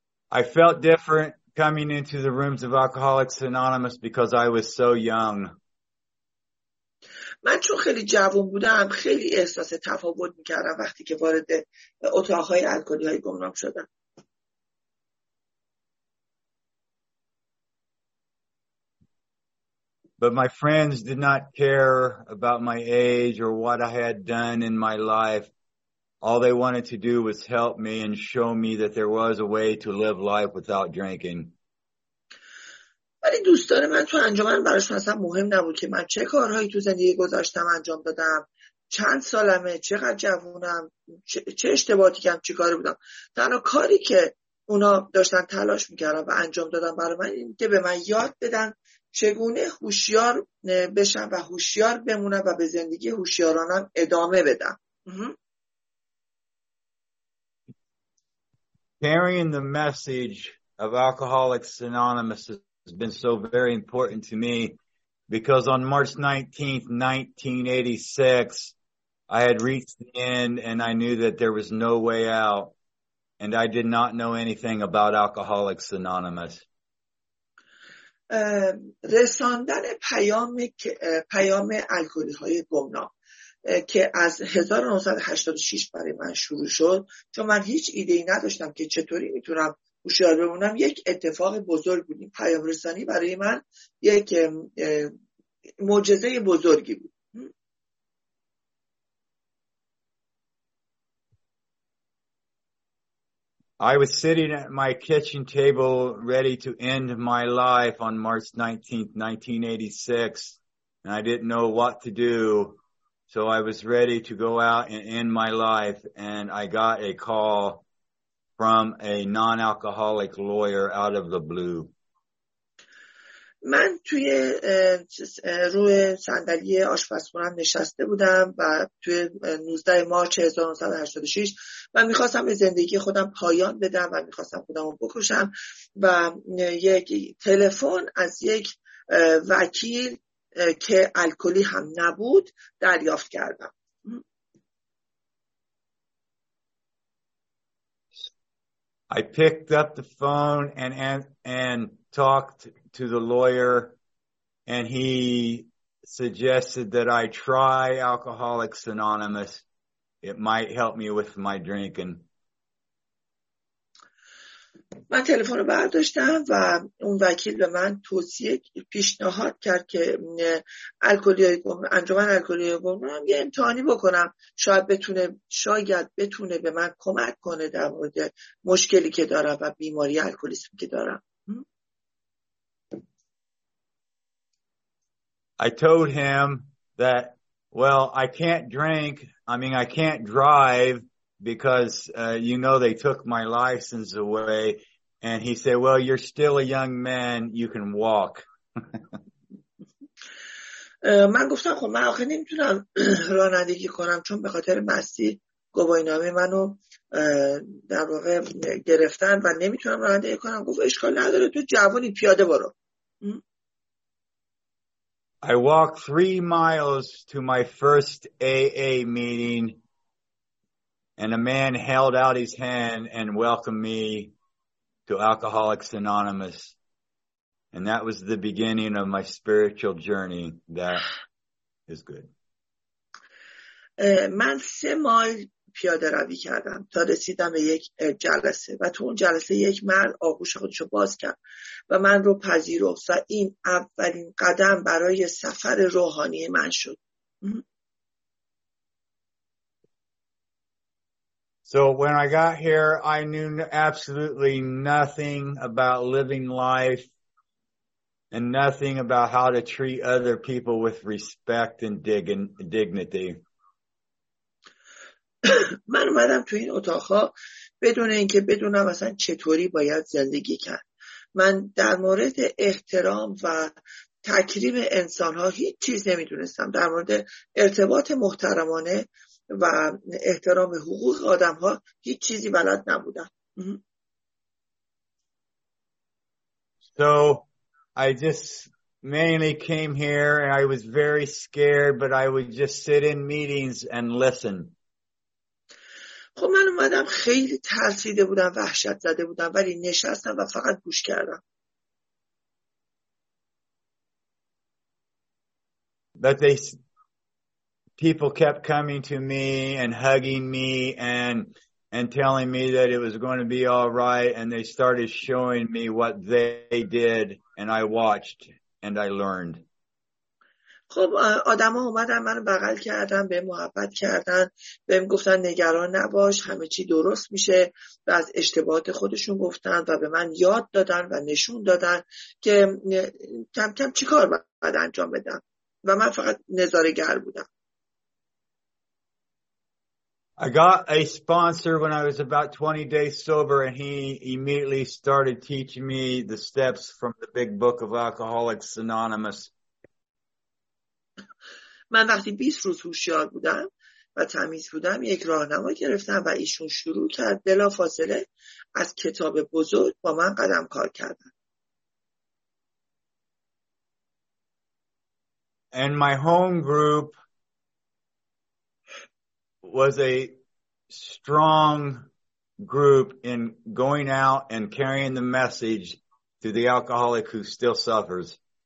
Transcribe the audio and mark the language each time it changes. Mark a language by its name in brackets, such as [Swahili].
[English] I felt different coming into the rooms of Alcoholics Anonymous because I was so young. [Persian] من چون خیلی جوان بودم خیلی احساس تفاوت می‌کردم وقتی که وارد اتاق‌های الکلی‌های گمنام شدم. [English] But my friends did not care about my age or what I had done in my life. All they wanted to do was help me and show me that there was a way to live life without drinking. [Persian] ولی دوستان من تو انجمن براش مثلا مهم نبود که من چه کارهایی تو زندگی گذاشتم انجام دادم، چند سالمه، چقدر جوونم، چه اشتباهاتی کردم، چه کاری بودم. تنها کاری که اونا داشتن تلاش میکردن و انجام دادن برای من این که به من یاد بدن چگونه هوشیار بشم و هوشیار بمونم و به زندگی هوشیارانم ادامه بدم. [English] Carrying the message of Alcoholics Anonymous has been so very important to me because on March 19th, 1986, I had reached the end and I knew that there was no way out and I did not know anything about Alcoholics Anonymous. [Persian] رساندن پیام الکلی‌های گمنام که از 1986 برای من شروع شد، چون من هیچ ایده‌ای نداشتم که چطوری میتونم هوشیار بمونم، یک اتفاق بزرگ بود. پیام رسانی برای من یک معجزه بزرگی بود. [English] I was sitting at my kitchen table ready to end my life on March 19th, 1986 and I didn't know what to do. So I was ready to go out and end my life, and I got a call from a non-alcoholic lawyer out of the blue. [Persian] من توی روی صندلی آشپزخونه نشسته بودم و توی 19 مارچ 1986 من می‌خواستم به زندگی خودم پایان بدم و می‌خواستم خودمو بکشم و یک تلفن از یک وکیل که الکلی هم نبود دریافت کردم. [English] I picked up the phone and talked to the lawyer and he suggested that I try Alcoholics Anonymous. It might help me with my drinking. [Persian] من تلفن رو برداشتم و اون وکیل به من توصیه پیشنهاد کرد که انجمن الکلی‌های گمنام یه امتحانی بکنم، شاید بتونه به من کمک کنه در مورد مشکلی که دارم و بیماری الکلیسم که دارم. [English] I told him that well I can't drink, I mean I can't drive because you know they took my license away, and he said, well you're still a young man, you can walk. [Persian] من گفتم خب من آخه نمیتونم رانندگی کنم چون به خاطر مستی گواهینامه منو در واقع گرفتن و نمیتونم رانندگی کنم. گفت اشکال نداره تو جوانی پیاده برو. [English] I walked 3 miles to my first AA meeting and a man held out his hand and welcomed me to Alcoholics Anonymous. And that was the beginning of my spiritual journey. That is good. [Persian] من 3 مایل پیاده روی کردم تا رسیدم به یک جلسه و تو اون جلسه یک مرد آغوش خودشو باز کرد و من رو پذیرفت و این اولین قدم برای سفر روحانی من شد. [English] So when I got here, I knew absolutely nothing about living life and nothing about how to treat other people with respect and dignity. [Persian] من اومدم تو این اتاق بدون اینکه بدونم اصلا چطوری باید زندگی کرد. من در مورد احترام و تکریم انسان ها هیچ چیز نمیدونستم. در مورد ارتباط محترمانه و احترام حقوق آدم ها هیچ چیزی بلد نبودم. [English] So I just mainly came here and I was very scared, but I would just sit in meetings and listen. [Persian] خب من اومدم خیلی ترسیده بودم، وحشت زده بودم، ولی نشستم و فقط گوش کردم. [English] But people kept coming to me and hugging me and telling me that it was going to be all right, and they started showing me what they did, and I watched and I learned. [Persian] خب آدم ها اومدن من رو بغل کردن، به محبت کردن، بهم گفتن نگران نباش، همه چی درست میشه و از اشتباهات خودشون گفتن و به من یاد دادن و نشون دادن که کم کم چی کار باید انجام بدم و من فقط نظارگر بودم. [English] I got a sponsor when I was about 20 days sober and he immediately started teaching me the steps from the big book of Alcoholics Anonymous. [Persian] من وقتی 20 روز هوشیار بودم و تمیز بودم یک راهنما گرفتم و ایشون شروع کرد بلافاصله از کتاب بزرگ با من قدم کار کردن. [English] And my home group was a strong group in going out and carrying the message to the alcoholic who still suffers.